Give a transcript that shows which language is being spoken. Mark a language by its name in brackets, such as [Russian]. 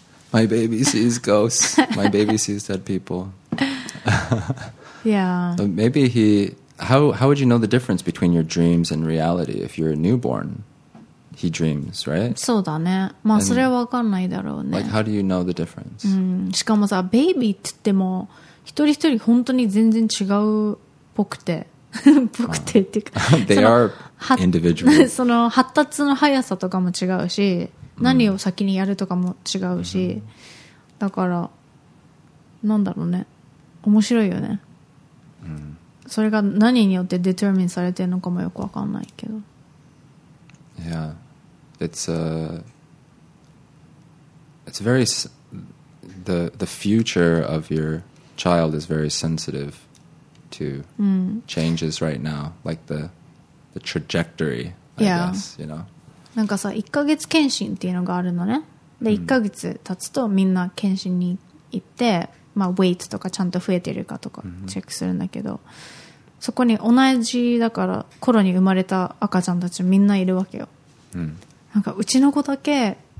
[English] My baby sees ghosts My baby sees dead people Yeah But Maybe he how would you know the difference between your dreams and reality If you're a newborn He dreams right [Japanese] そうだねまあそれは分かんないだろうね [English] Like how do you know the difference [Japanese] しかもさ baby って言っても人一人本当に全然違うっぽくて、ぽくてっていうか、 [English] They are individual. [Japanese] その発達の速さとかも違うし、何を先にやるとかも違うし、だから、なんだろうね、面白いよね。それが何によってデトルミンされてるのかもよくわかんないけど。 [English] Yeah, it's very the future of your child is very sensitive to changes right now, like the trajectory, I guess, you know. [Japanese] なんかさ、1ヶ月検診っていうのがあるのね。で、1ヶ月経つとみんな検診に行って、まあ、ウェイトとかちゃんと増えてるかとかチェックするんだけど、そこに同じだから頃に生まれた赤ちゃんたちみんないるわけよ。なんかうちの子だけ。